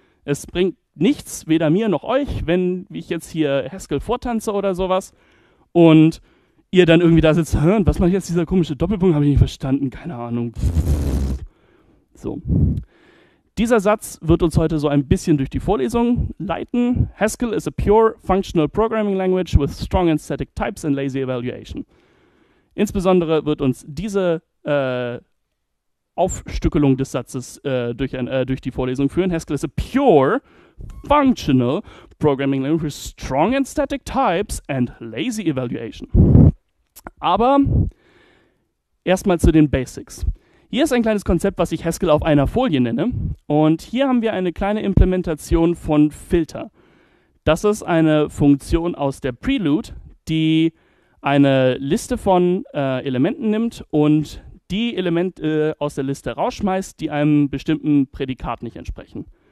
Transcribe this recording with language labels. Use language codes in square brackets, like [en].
[de] Es bringt nichts, weder mir noch euch, wenn ich jetzt hier Haskell vortanze oder sowas und ihr dann irgendwie da sitzt, hören, was mache ich jetzt, dieser komische Doppelpunkt, habe ich nicht verstanden, keine Ahnung. So. Dieser Satz wird uns heute so ein bisschen durch die Vorlesung leiten. [en] Haskell is a pure functional programming language with strong and static types and lazy evaluation. [de] Insbesondere wird uns diese Aufstückelung des Satzes durch die Vorlesung führen. [en] Haskell is a pure functional programming language with strong and static types and lazy evaluation. [de] Aber erstmal zu den Basics. Hier ist ein kleines Konzept, was ich Haskell auf einer Folie nenne. Und hier haben wir eine kleine Implementation von Filter. Das ist eine Funktion aus der Prelude, die eine Liste von Elementen nimmt und die Elemente aus der Liste rausschmeißt, die einem bestimmten Prädikat nicht entsprechen.